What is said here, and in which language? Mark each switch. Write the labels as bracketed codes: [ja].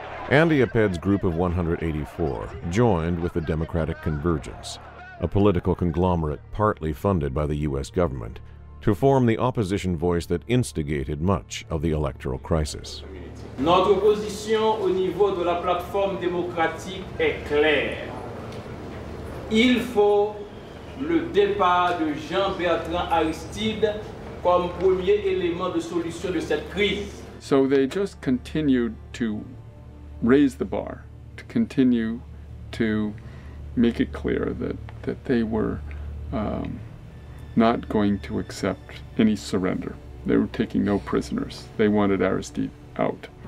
[en] Andy Appeds' group of 184 joined with the Democratic Convergence, a political conglomerate partly funded by the U.S. government, to form the opposition voice that instigated much of the electoral crisis. [fr] Notre position au niveau de la plateforme démocratique est claire. Il faut le départ de Jean-Bertrand Aristide comme premier élément de solution de cette crise. [en] So they just continued to raise the bar, to continue to make it clear that they were not going to accept any surrender. They were taking no prisoners. They wanted Aristide out.